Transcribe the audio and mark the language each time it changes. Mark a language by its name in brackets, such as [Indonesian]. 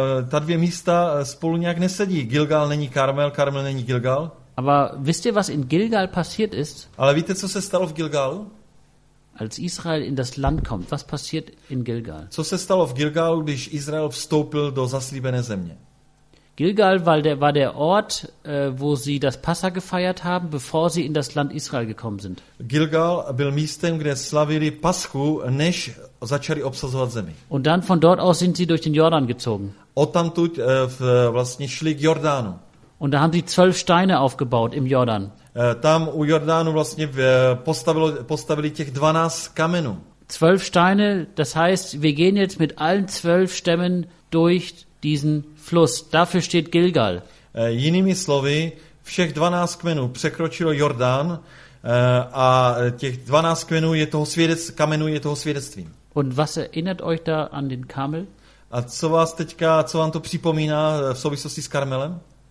[Czech] Ta dvě místa spolu nějak nesedí. Gilgal není Karmel, Karmel není Gilgal. [German] Aber wisst ihr, was in Gilgal passiert ist? [Czech] Ale víte, co se stalo v Gilgalu? [German] Als Israel in das Land kommt, was passiert in Gilgal? [Czech] Co se stalo v Gilgalu, když Izrael vstoupil do zaslíbené země? [German] Gilgal war der Ort, wo sie das Passa gefeiert haben, bevor sie in das Land Israel gekommen sind. [Czech] Gilgal byl místem, kde slavili Paschu, než začali obsazovat zemi. [German] Und dann von dort aus sind sie durch den Jordan gezogen. [Czech] Odtamtud vlastně šli k Jordánu. [German] Und da haben sie 12 Steine aufgebaut im Jordan. [Czech] Tam u Jordánu vlastně postavili těch 12 kamenů. [German] 12 Steine, das heißt, wir gehen jetzt mit allen 12 Stämmen durch diesen Fluss. Dafür steht Gilgal. [Czech] Jinými slovy, všech 12 kmenů překročilo Jordán a těch 12 kmenů je toho kamenů je toho svědectvím. [German] Und was erinnert euch da an den Karmel? [Czech] A co vás teďka, co vám to připomíná v souvislosti s Karmelem?